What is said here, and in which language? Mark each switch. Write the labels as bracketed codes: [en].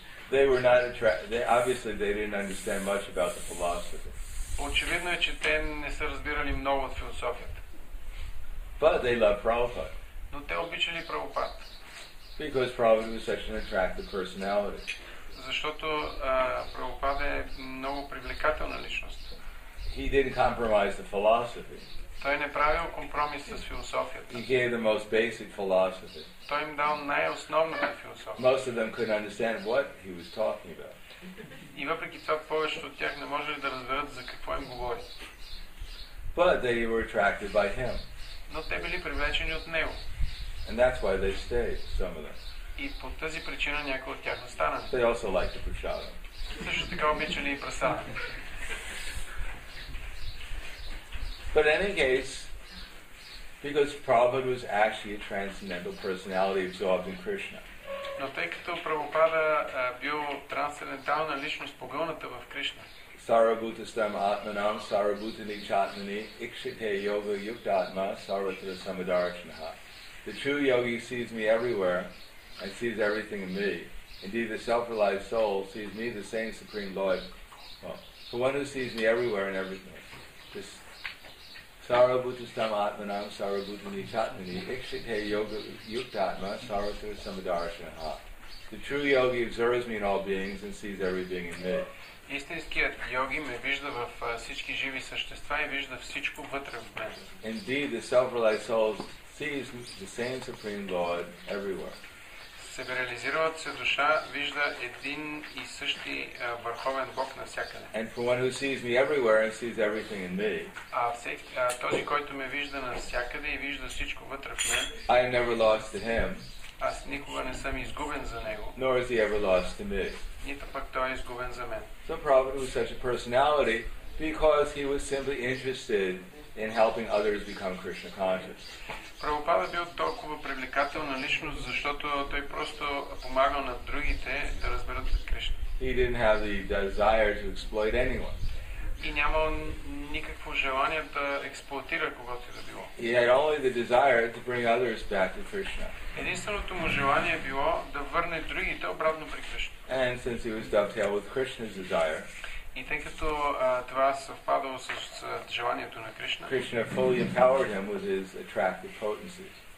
[en] They were not obviously they didn't understand much about the philosophy. [bg] Очевидно е, че те не са разбирали много от философията. [en] But they loved Prabhupada. [bg] Но те обичали Прабхупад. [en] Because Prabhupada was such an attractive personality. [bg] Защото Прабхупад е много привлекателна личност. [en] He didn't compromise the philosophy. [bg] Той не правил компромис с философията. [en] He gave the most basic philosophy. [bg] Той им дал най-основната философия. [en] Most of them couldn't understand what he was talking about. [bg] И въпреки това повечето от тях не можели да разберат за какво им говори. [en] But they were attracted by him. [bg] Но те били привлечени от него. [en] And that's why they stayed, some of them. [bg] И по тази причина някои от тях останали. [en] They also liked the prasadam. [bg] Също така обичали и прасадам. [en] But in any case, because Prabhupada was actually a transcendental personality absorbed in Krishna. [bg] Но тъй като Прабхупада бил трансцендентална личност, погълната в Кришна. [sa] Sarabhutastam atmanam, sarabhutani chatmani, ikshite yoga yuktatma, sarvatra samadharakshanaha. [en] The true yogi sees me everywhere and sees everything in me. Indeed, the self-realized soul sees me, the same supreme Lord. Well, the one who sees me everywhere and everything. Just [sa] Sarabhutastam atmanam sarabhutanitatmani ikshite yoga yuktatma sarasura samadarshanaha. [en] The true yogi observes me in all beings and sees every being in me. [bg] Истинският йоги ме вижда във всички живи същества и вижда всичко вътре в мен. [en] Indeed, the self-realized soul sees the same supreme Lord everywhere. [bg] Себереализиралата се душа вижда един и същи върховен Бог навсякъде. [en] And for one who sees me everywhere and sees everything in me. [bg] А този, който ме вижда навсякъде и вижда всичко вътре в мен. [en] I am never lost to him. [bg] Аз никога не съм изгубен за него. [en] Nor is he ever lost to me. [bg] Нито пък той е изгубен за мен. [en] So Prabhupada was such a personality because he was simply interested in helping others become Krishna conscious. [bg] Prabhupada бил толкова привлекателна личност, защото той просто помагал на другите да разберат Кришна. [en] He didn't have the desire to exploit anyone. [bg] И нямал никакво желание да експлоатира когото и да било. [en] He had only the desire to bring others back to Krishna. [bg] Единственото му желание било да върне другите обратно при Кришна. [en] And since he was dovetailed with Krishna's desire, [bg] и тъй като това съвпадало с желанието на Кришна, [en] Krishna fully empowered him with his attractive potencies.